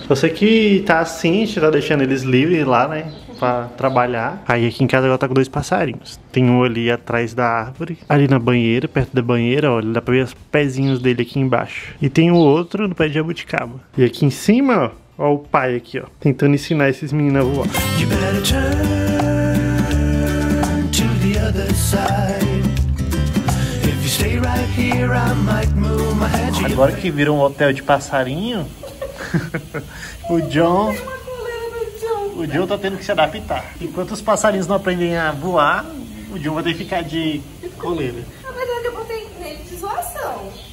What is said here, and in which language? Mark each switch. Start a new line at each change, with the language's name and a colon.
Portuguese: Você que tá assim, a gente tá deixando eles livres lá, né? Pra trabalhar. Aí aqui em casa agora tá com dois passarinhos. Tem um ali atrás da árvore, ali na banheira, perto da banheira, olha, dá pra ver os pezinhos dele aqui embaixo. E tem o outro no pé de jabuticaba. E aqui em cima, ó, ó o pai aqui, ó, tentando ensinar esses meninos a voar.
English: You better turn to the other side. If you stay right here, I might move my head.
Portuguese: Agora que virou um hotel de passarinho, o John... O John tá tendo que se adaptar. Enquanto os passarinhos não aprendem a voar, o John vai ter que ficar de coleira. Na verdade, eu botei nele de zoação.